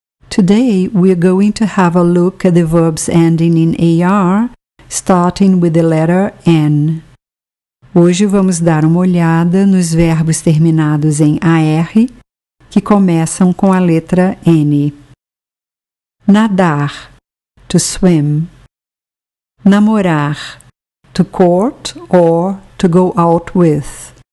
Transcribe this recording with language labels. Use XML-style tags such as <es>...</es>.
<en>Today we're going to have a look at the verbs ending in AR, starting with the letter N.</en> <pt>Hoje vamos dar uma olhada nos verbos terminados em AR, que começam com a letra N.</pt> <en>Nadar, to swim. Namorar, to court or to go out with.</en>